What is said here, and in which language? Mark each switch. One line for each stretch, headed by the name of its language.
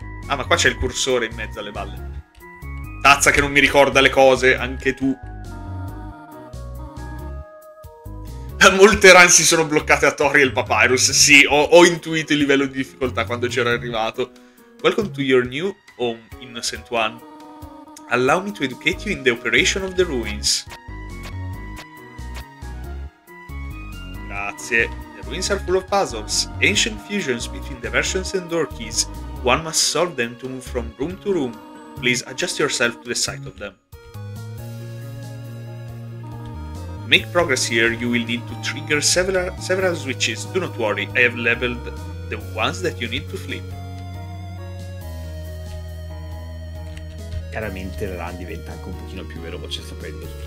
Italian: Ah, ma qua c'è il cursore in mezzo alle balle. Tazza che non mi ricorda le cose. Anche tu. Molte run si sono bloccate a Toriel Papyrus. Sì, ho intuito il livello di difficoltà quando c'era arrivato.
English: Welcome to your new home, innocent one. Allow me to educate you in the operation of the ruins.
Italian: Grazie.
English: The ruins are full of puzzles, ancient fusions between the versions and door keys. One must solve them to move from room to room. Please adjust yourself to the sight of them. Make progress here, you will need to trigger several switches. Do not worry, I have leveled the ones that you need to flip.
Italian: Chiaramente la run diventa anche un pochino più veloce sapendo tutto.